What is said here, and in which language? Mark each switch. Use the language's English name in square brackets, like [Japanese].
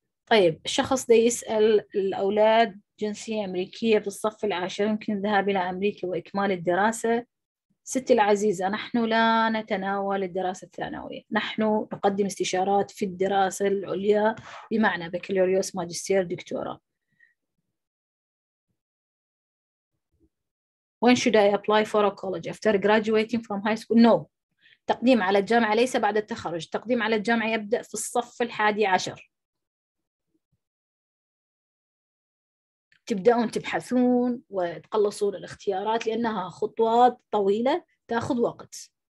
[Arabic] طيب، الشخص ده يسأل الأولاد جنسية أمريكية في الصف العاشر يمكن الذهاب إلى أمريكا وإكمال الدراسة. ستي العزيزة، نحن لا نتناول الدراسة الثانوية، نحن نقدم استشارات في الدراسة العليا بمعنى بكالوريوس ماجستير دكتوراه. [English] When should I apply for a college after graduating from high school? No. [Arabic] تقديم على الجامعة ليس بعد التخرج، تقديم على الجامعة يبدأ في الصف الحادي عشر. تبدأون تبحثون وتقلصون الاختيارات لأنها خطوات طويلة تأخذ وقت.